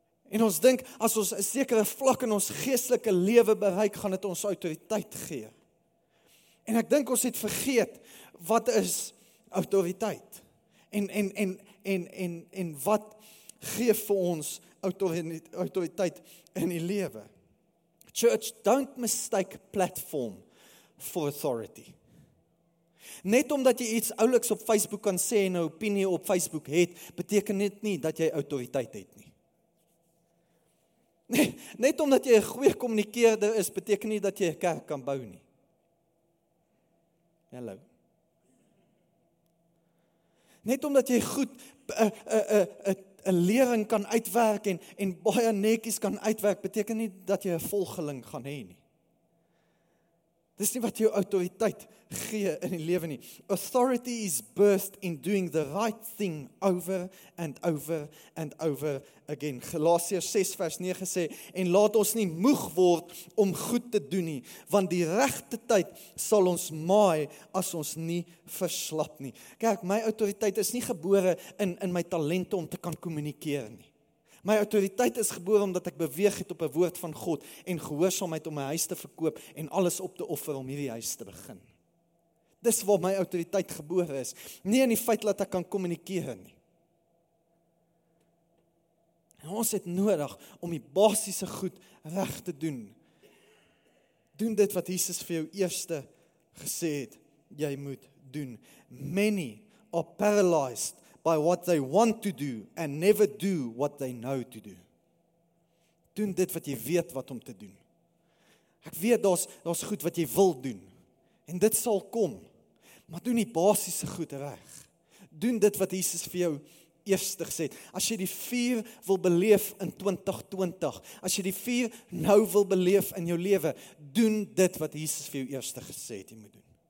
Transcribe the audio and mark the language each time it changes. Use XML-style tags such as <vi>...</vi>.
<af>En ons dink, as ons 'n sekere vlak in ons geestelike lewe bereik, gaan dit ons autoriteit gee. En ek dink ons het vergeet, wat is autoriteit? En wat gee vir ons autoriteit in die lewe?</af> <en>Church, don't mistake platform for authority.</en> <af>Net omdat jy iets ouliks op Facebook kan sê en 'n opinie op Facebook het, beteken dit nie dat jy autoriteit het nie. Net omdat jy 'n goeie kommunikeerder is, beteken nie dat jy 'n kerk kan bou nie. Hallo. Net omdat jy goed 'n lering kan uitwerk en baie netjies kan uitwerk, beteken nie dat jy 'n volgeling gaan hê nie. Dis nie wat jou autoriteit gee in die lewe nie.</af> <en>Authority is birthed in doing the right thing over and over and over again.</en> <af>Galasiërs 6 vers 9 sê, en laat ons nie moeg word om goed te doen nie, want die regte tyd sal ons maai as ons nie verslap nie. Kyk, my autoriteit is nie gebore in my talente om te kan kommunikeer nie. My autoriteit is gebore omdat ek beweeg het op 'n woord van God en gehoorsaamheid om my huis te verkoop en alles op te offer om hierdie huis te begin. Dis waar my autoriteit gebore is. Nie in die feit dat ek kan kommunikeer nie. En ons het nodig om die basiese goed reg te doen. Doen dit wat Jesus vir jou eerste gesê het, jy moet doen.</af> <en>Many are paralyzed by what they want to do and never do what they know to do.</en> <af>Doen dit wat jy weet wat om te doen. Ek weet daar's goed wat jy wil doen. En dit sal kom. Maar doen die basiese goed reg. Doen dit wat Jesus vir jou eerste gesê het. As jy die vuur wil beleef in 2020, as jy die vuur nou wil beleef in jou lewe, doen dit wat Jesus vir jou eerste gesê het jy moet doen.</af>